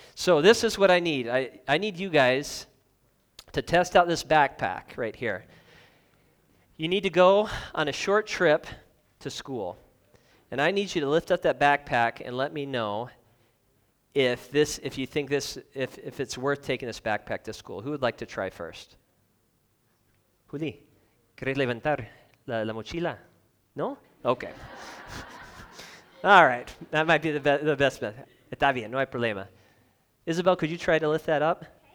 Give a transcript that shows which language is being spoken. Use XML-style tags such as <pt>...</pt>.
<en>So this is what I need. I need you guys to test out this backpack right here. You need to go on a short trip to school. And I need you to lift up that backpack and let me know if it's worth taking this backpack to school. Who would like to try first?</en> <es>Juli, ¿quieres levantar la mochila? No?</es> <en>Okay. All right. That might be the best method.</en> <es>Está bien, no hay problema.</es> <en>Isabel, could you try to lift that up?</en>